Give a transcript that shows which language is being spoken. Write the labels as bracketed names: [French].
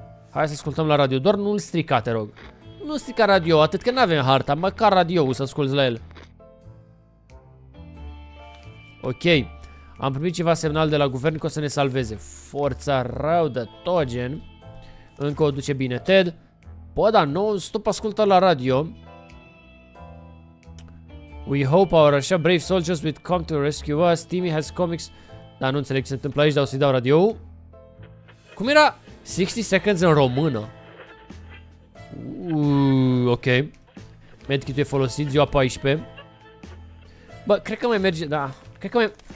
[Romanian] Hai să ascultăm la radio, doar nu-l strica, te rog. Nu strica radio, atât că n-avem harta, măcar radio-ul să asculti la el. Ok, am primit ceva semnal de la guvern că o să ne salveze. Forța rău de tot gen. Încă o duce bine Ted. Bă, dar non-stop ascultă la radio. [English] We hope our așa brave soldiers would come to rescue us. Timmy has comics. [Romanian] Dar nu înțeleg ce se întâmplă aici, dar o să-i dau radio. Cum era 60 seconds în română? Ok. Medkit-ul e folosit, ziua 14. Bă, cred că mai merge, da. Cred că mai...